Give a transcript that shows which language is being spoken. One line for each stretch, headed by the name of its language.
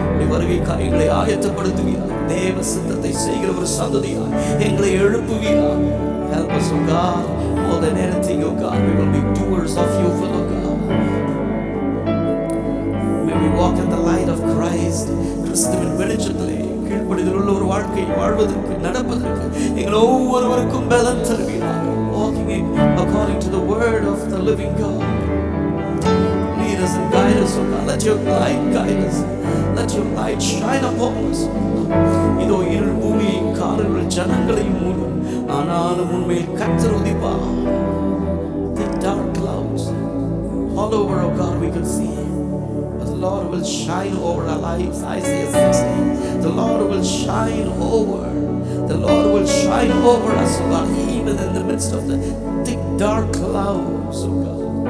Tamil: வருகை காரியங்களை ஆயத்தப்படுத்துவீர். தேவ சித்தத்தை செய்கிற ஒரு சந்ததியாய் எங்களை எழுப்புவீர்.
English: Help us, oh God, more than anything, oh God. We will be doers of you, for oh God. May we walk in the light of Christ.
Tamil: கிறிஸ்துவின் வெளிச்சத்திலே கீழ்ப்படிதல் உள்ள ஒரு வாழ்க்கை வாழ்வதற்கு நடப்பதற்கு எங்கள் ஒவ்வொருவருக்கும் பலன் தருவீர்.
English: Walking in according to the word of the living God. Lead us and guide us, oh God. Let your light guide us. Let your light shine upon us.
Tamil: இதோ இருள் பூமியை காருங்கள், ஜனங்களை மூடும், ஆனாலும் உண்மையில் கர்த்தர் உதிப்பார்.
English: The dark clouds all over, oh God, we can see. But the Lord will shine over our lives. Isaiah 16. The Lord will shine over. The Lord will shine over us, oh God, even in the midst of the thick dark clouds, oh God.